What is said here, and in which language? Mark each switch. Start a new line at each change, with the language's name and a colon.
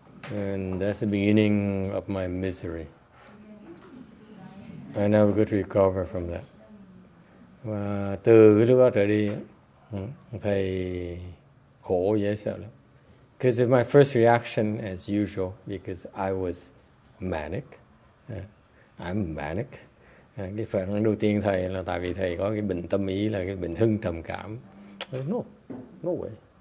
English: And that's the beginning of my misery. I never could recover from that.
Vietnamese: Và từ cái lúc đó trở đi, thầy khổ dễ sợ lắm.
English: Because my first reaction, as usual, because I was manic. I'm manic.
Vietnamese: Cái phản ứng đầu tiên thầy là tại vì thầy có cái bệnh tâm lý là cái bệnh hưng trầm cảm.
English: No, no way.